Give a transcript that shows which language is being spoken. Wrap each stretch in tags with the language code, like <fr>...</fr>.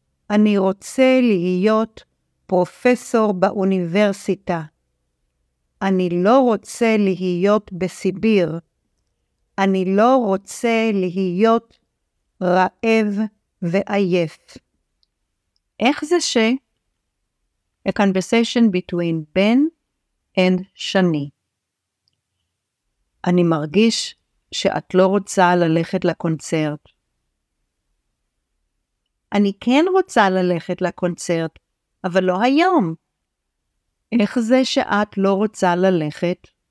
<he>אני רוצה להיות פרופסור באוניברסיטה. אני לא רוצה להיות בסיביר. אני לא רוצה להיות רעב ועייף. איך זה ש?</he> <en>A conversation between Ben and Shani.</en> <he>אני מרגיש שאת לא רוצה ללכת לקונצרט. אני כן רוצה ללכת לקונצרט, אבל לא היום. איך זה שאת לא רוצה ללכת?</he>